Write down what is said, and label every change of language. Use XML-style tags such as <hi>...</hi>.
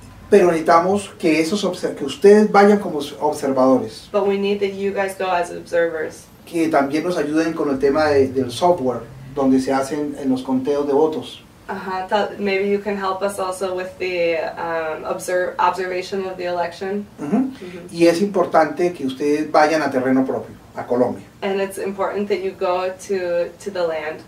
<es>Pero necesitamos que esos que ustedes vayan como observadores.</es> <en>But we need that you guys go as observers.</en> <es>Que también nos ayuden con el tema del software, donde se hacen en los conteos de votos.</es> <en>Maybe you can help us also with the observation of the election.</en> <es>Uh-huh. Mm-hmm. Y es importante que ustedes vayan a terreno propio, a Colombia.</es> <en>And it's important that you go to the land.</en>